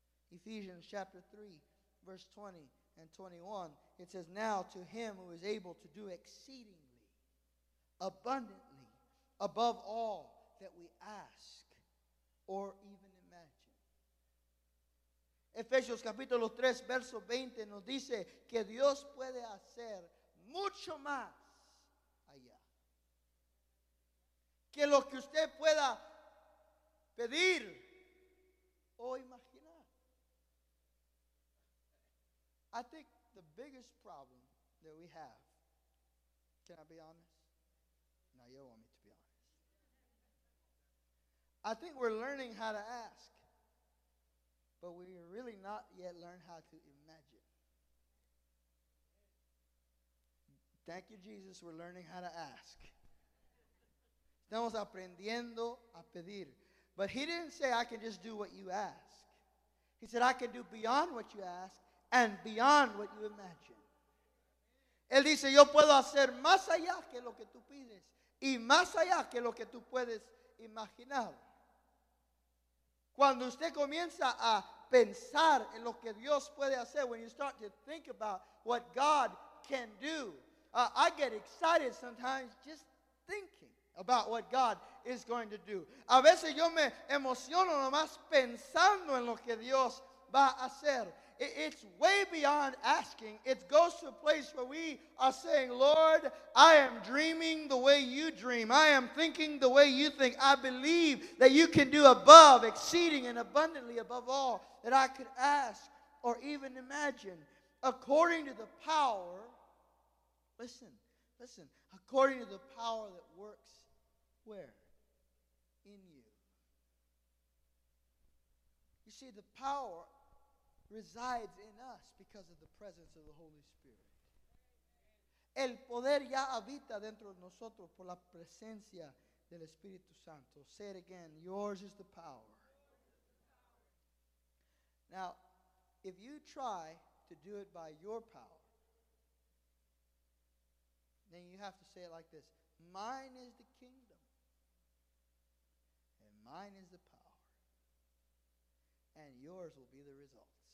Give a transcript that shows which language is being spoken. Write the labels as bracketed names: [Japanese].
[English] Ephesians chapter 3, verse 20 and 21. It says, now to him who is able to do exceedingly, abundantly, above all that we ask or even imagine. [Spanish] Ephesians capítulo 3, verso 20 nos dice que Dios puede hacer mucho más allá. Que lo que usted pueda pedir o imaginar. [English] I think the biggest problem that we have, can I be honest? No, you don't want me to be honest. I think we're learning how to ask, but we really not yet learn how to imagine. Thank you, Jesus, we're learning how to ask. [Spanish] Estamos aprendiendo a pedir. [English] But he didn't say, I can just do what you ask. He said, I can do beyond what you ask and beyond what you imagine. [Spanish] Él dice, yo puedo hacer más allá que lo que tú pides y más allá que lo que tú puedes imaginar. Cuando usted comienza a pensar en lo que Dios puede hacer, [English] when you start to think about what God can do, I get excited sometimes just thinking about what God is going to do. [Spanish] A veces yo me emociono nomás pensando en lo que Dios va a hacer. [English] It's way beyond asking. It goes to a place where we are saying, Lord, I am dreaming the way you dream. I am thinking the way you think. I believe that you can do above, exceeding and abundantly above all that I could ask or even imagine. According to the power, listen, according to the power that works where? In you. You see, the power resides in us because of the presence of the Holy Spirit. [Spanish] El poder ya habita dentro de nosotros por la presencia del Espíritu Santo. [English] Say it again, yours is the power. Now, if you try to do it by your power, then you have to say it like this: mine is the kingdom. Mine is the power, and yours will be the results.